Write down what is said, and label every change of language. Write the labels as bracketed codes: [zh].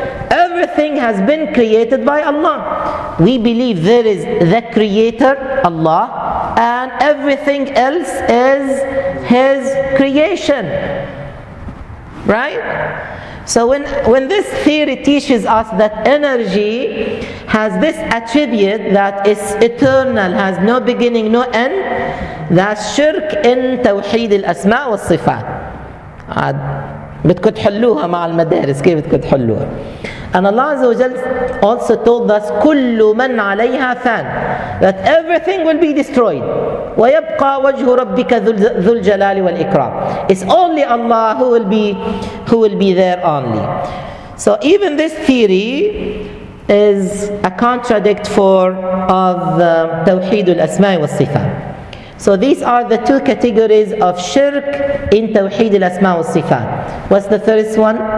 [en] Everything has been created by Allah. We believe there is the creator, Allah, and everything else is His creation. Right? So when this theory teaches us that energy has this attribute that is eternal, has no beginning, no end, that's shirk in tawheed al-asma wa sifat. [ar] بدكم تحلوها مع المدارس كيف بدكم تحلوها. [en] And Allah Azza wa Jal also told us [ar] كل من عليها فان, [en] that everything will be destroyed. [ar] ويبقى وجه ربك ذو الجلال والإكرام. [en] It's only Allah who will be there only. So even this theory is a contradict of توحيد الأسماء والصفات. So these are the two categories of shirk in توحيد الأسماء والصفات. What's the first one?